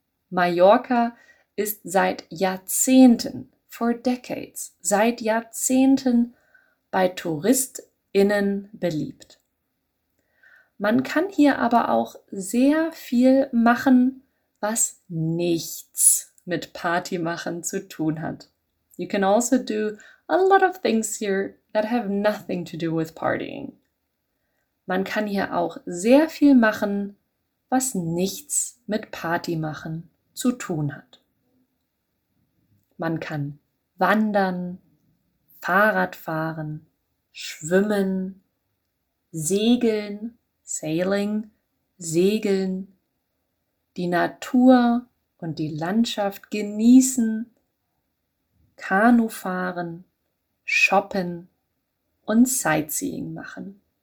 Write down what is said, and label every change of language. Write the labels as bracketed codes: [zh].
[de] Mallorca ist seit Jahrzehnten, [en] for decades, [de] seit Jahrzehnten bei TouristInnen beliebt. Man kann hier aber auch sehr viel machen, was nichts mit Party machen zu tun hat. [en] You can also do a lot of things here that have nothing to do with partying. [de] Man kann hier auch sehr viel machen, was nichts mit Party machen zu tun hat. Man kann wandern, Fahrrad fahren, schwimmen, segeln, sailing, segeln, die Natur und die Landschaft genießen, Kanu fahren, shoppen und Sightseeing machen.